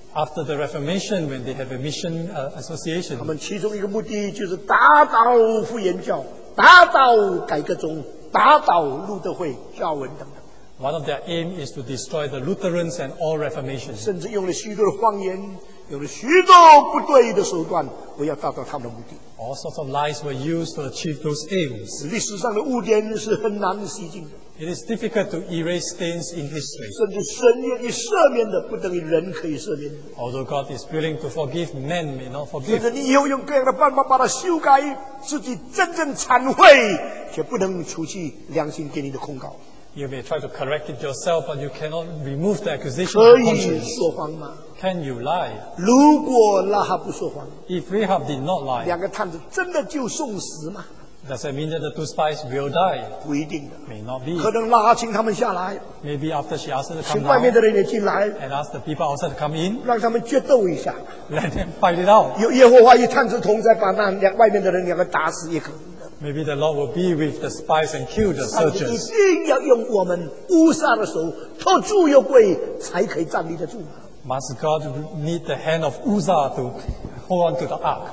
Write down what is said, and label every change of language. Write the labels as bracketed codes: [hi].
[en] ，After the Reformation, when they have a mission association, [zh] 他们其中一个目的就是打倒复原教，打倒改革宗，打倒路德会、教文等等。 [en] One of their aim is to destroy the Lutherans and all Reformation. [zh] 甚至用了许多的谎言，用了许多不对的手段，我要达到他们的目的。 [en] All sorts of lies were used to achieve those aims. [zh] 历史上的污点是很难洗净的。 [en] It is difficult to erase stains in history. [zh] 甚至神愿意赦免的，不等于人可以赦免。 [en] Although God is willing to forgive, men may not forgive. [zh] 甚至你以后用各样的办法把它修改，自己真正忏悔，却不能除去良心给你的控告。 [en] You may try to correct it yourself, but you cannot remove the accusation from conscience. [zh] 可以说谎吗？ [en] Can you lie? [zh] 如果拉哈不说谎， [en] If Rahab did not lie, [zh] 两个探子真的就送死吗？ [en] Does that mean that the two spies will die? [zh] 不一定的。 [en] May not be. [zh] 可能拉哈请他们下来。 [en] Maybe after she asked them to come down. [zh] 请外面的人也进来。 [en] And ask the people outside to come in. [zh] 让他们决斗一下。 [en] Let them fight it out. [zh] 有耶和华与探子同在，把那两外面的人两个打死也可能。 [en] Maybe the Lord will be with the spies and kill the surgeons. [zh] 一定要用我们乌撒的手托住右跪，才可以站立得住。 [en] Must God need the hand of Uzzah to hold on to the ark?